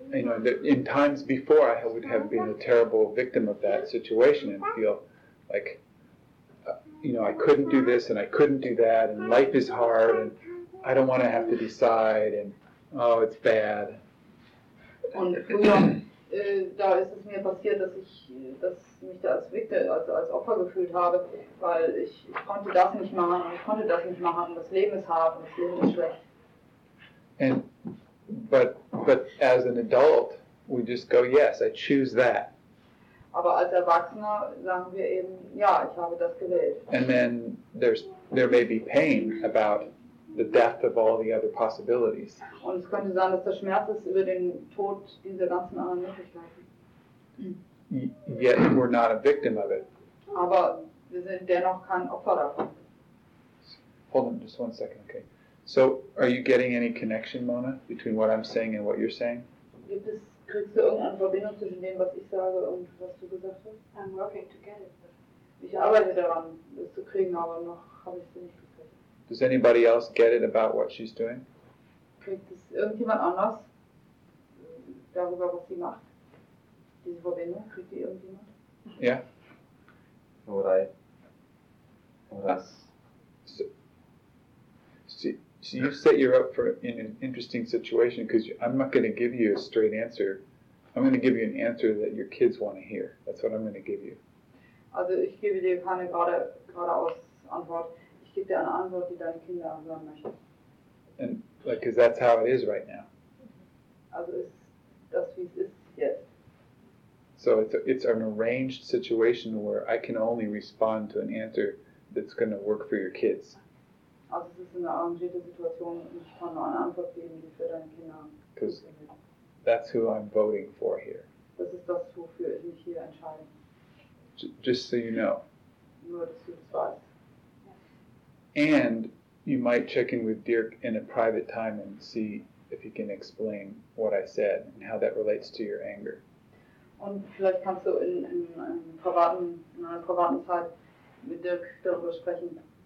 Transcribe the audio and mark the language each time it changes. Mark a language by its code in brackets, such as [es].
[en] You know, in times before I would have been a terrible victim of that situation and feel like, you know, I couldn't do this and I couldn't do that and life is hard and I don't want to have to decide and oh, it's bad. [de] Und früher, da ist es mir passiert, dass ich mich da als Opfer gefühlt habe, weil ich konnte das nicht machen und ich konnte das nicht machen. Das Leben ist hart und das Leben ist schlecht. [en] But as an adult, we just go, yes, I choose that. [de] Aber als Erwachsener sagen wir eben, ja, ich habe das gewählt. [en] And then there may be pain about the death of all the other possibilities. [de] Und es könnte sein, dass der Schmerz ist über den Tod dieser ganzen anderen Möglichkeiten. [en] Yet we're not a victim of it. [de] Aber wir sind dennoch kein Opfer davon. [en] Hold on, just one second, okay. So, are you getting any connection, Mona, between what I'm saying and what you're saying? [de] Kriegst du irgendeine Verbindung zwischen dem, was ich sage und was du gesagt hast? [en] I'm working to get it. [de] Ich arbeite daran, das zu kriegen, aber noch habe ich es nicht gekriegt. [en] Does anybody else get it about what she's doing? [de] Kriegt es irgendjemand anders darüber, was sie macht? Diese Verbindung, kriegt die irgendjemand? [en] Yeah. [de] Nur I. Nur das. [en] So you set you up for in an interesting situation because I'm not going to give you a straight answer. I'm going to give you an answer that your kids want to hear. That's what I'm going to give you. [de] Also, ich gebe dir keine geradeaus Antwort. Ich gebe dir eine Antwort, die deine Kinder hören möchten. [en] And like, because that's how it is right now. [de] Also, ist das wie es ist jetzt. [en] So it's an arranged situation where I can only respond to an answer that's going to work for your kids. [de] Also es ist eine arrangierte Situation und ich kann nur eine Antwort geben, die für deine Kinder. [en] Because that's who I'm voting for here. [de] Das ist das, wofür ich mich hier entscheide. [en] Just so you know. [de] Nur, dass du das weißt. [en] And you might check in with Dirk in a private time and see if he can explain what I said and how that relates to your anger. [de] Und vielleicht kannst du in einer privaten Zeit mit Dirk darüber sprechen.